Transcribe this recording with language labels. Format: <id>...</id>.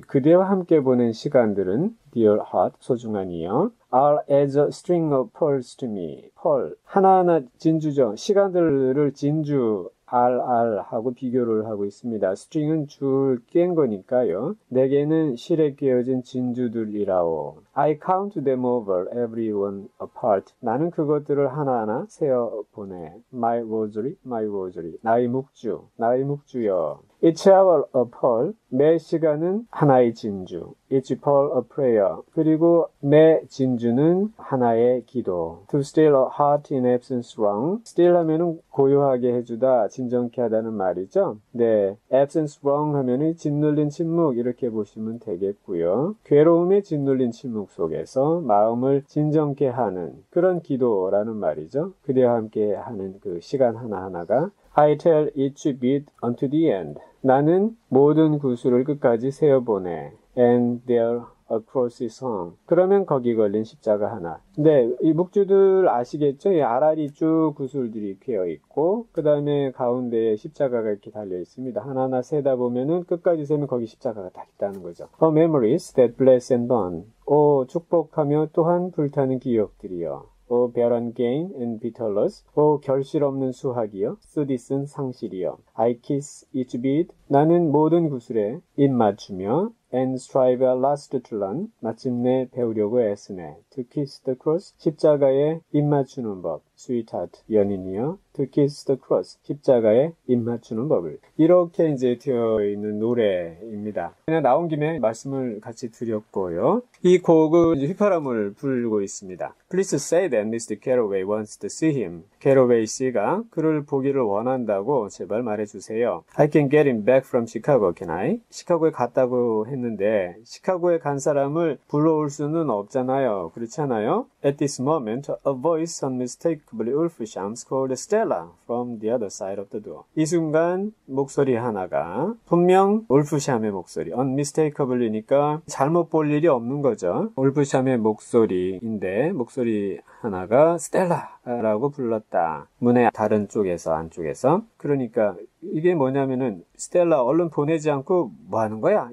<ko>그대와 함께 보낸 시간들은</ko> <en>Dear heart,</en> <ko>소중한 이여.</ko> <en>Are as a string of pearls to me.</en> <ko>Pearl, 하나하나 진주죠. 시간들을 진주, RR하고 비교를 하고 있습니다. String은 줄깬 거니까요. 내게는 실에 끼어진 진주들이라오.</ko> <en>I count them over, everyone apart.</en> <ko>나는 그것들을 하나하나 세어 보내.</ko> <en>My rosary, my rosary.</en> <ko>나의 묵주, 나의 묵주여.</ko> <en>Each hour a pearl.</en> <ko>매 시간은 하나의 진주.</ko> <en>Each pearl a prayer.</en> <ko>그리고 매 진주는 하나의 기도.</ko> <en>To still a heart in absence wrong.</en> <ko>Still 하면은 고요하게 해주다, 진정케 하다는 말이죠. 네, absence wrong 하면은 짓눌린 침묵 이렇게 보시면 되겠고요. 괴로움에 짓눌린 침묵 속에서 마음을 진정케 하는 그런 기도라는 말이죠. 그대와 함께 하는 그 시간 하나하나가</ko> <en>I tell each beat unto the end.</en> <ko>나는 모든 구슬을 끝까지 세어보내.</ko> <en>And there a cross is hung.</en> <ko>그러면 거기 걸린 십자가 하나. 네, 이 묵주들 아시겠죠? 이 아라리 쭉 구슬들이 되어 있고, 그 다음에 가운데에 십자가가 이렇게 달려 있습니다. 하나하나 세다 보면은 끝까지 세면 거기 십자가가 딱 있다는 거죠.</ko> <en>A memories that bless and burn.</en> <ko>오, 축복하며 또한 불타는 기억들이여.</ko> <en>O barren gain and bitter loss.</en> <ko>O 결실 없는 수학이여. 쓰디쓴 상실이여.</ko> <en>I kiss each bead.</en> <ko>나는 모든 구슬에 입맞추며.</ko> <en>And strive at last to learn.</en> <ko>마침내 배우려고 애쓰네.</ko> <en>To kiss the cross.</en> <ko>십자가에 입맞추는 법.</ko> <en>Sweetheart.</en> <ko>연인이여.</ko> <en>To kiss the cross.</en> <ko>십자가에 입맞추는 법을. 이렇게 이제 되어 있는 노래입니다. 그냥 나온 김에 말씀을 같이 드렸고요. 이 곡은 이제 휘파람을 불고 있습니다.</ko> <en>Please say that Mr. Carraway wants to see him.</en> <ko>캐러웨이 씨가 그를 보기를 원한다고 제발 말해주세요.</ko> <en>I can get him back from Chicago, can I?</en> <ko>시카고에 갔다고 했는데, 시카고에 간 사람을 불러올 수는 없잖아요. 그렇지 않아요?</ko> <en>At this moment, a voice unmistakably Ulfsham's called Stella from the other side of the door.</en> <ko>이 순간, 목소리 하나가, 분명 울프샴의 목소리. Unmistakably니까 잘못 볼 일이 없는 거죠. 울프샴의 목소리인데, 목소리 하나가 Stella. 라고 불렀다. 문의 다른 쪽에서, 안쪽에서. 그러니까 이게 뭐냐면은 스텔라 얼른 보내지 않고 뭐 하는 거야?</ko>